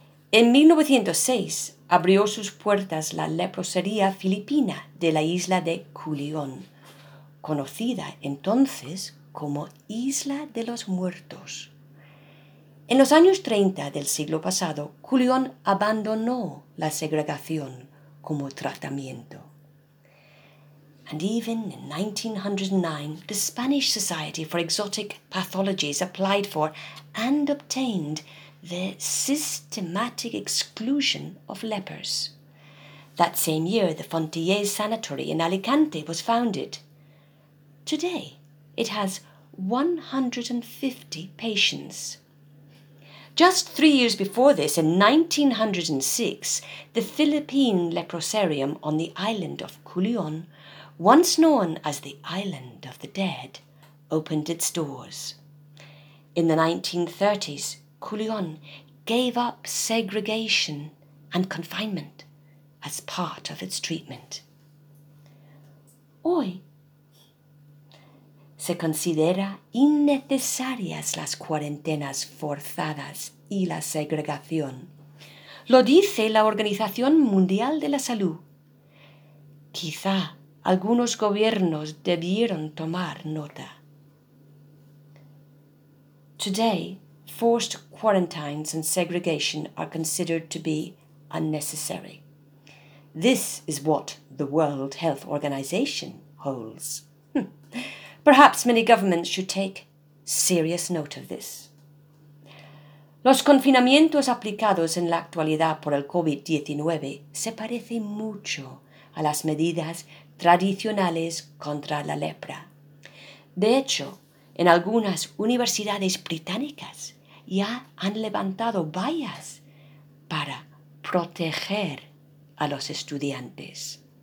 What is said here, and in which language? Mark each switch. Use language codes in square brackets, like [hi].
[es] En 1906 abrió sus puertas la leprosería filipina de la isla de Culión, conocida entonces como Isla de los Muertos. En los años 30 del siglo pasado, Culión abandonó la segregación como tratamiento. [en] And even in 1909, the Spanish Society for Exotic Pathologies applied for and obtained the systematic exclusion of lepers. That same year, the Fontillés Sanatory in Alicante was founded. Today, it has 150 patients. Just 3 years before this, in 1906, the Philippine Leproserium on the island of Culion, once known as the Island of the Dead, opened its doors. In the 1930s, Culion gave up segregation and confinement as part of its treatment. [es] Hoy, se considera innecesarias las cuarentenas forzadas y la segregación. Lo dice la Organización Mundial de la Salud. Quizá algunos gobiernos debieron tomar nota. [en] Today, forced quarantines and segregation are considered to be unnecessary. This is what the World Health Organization holds. Perhaps many governments should take serious note of this. [es] Los confinamientos aplicados en la actualidad por el COVID-19 se parecen mucho a las medidas tradicionales contra la lepra. De hecho, en algunas universidades británicas ya han levantado vallas para proteger a los estudiantes.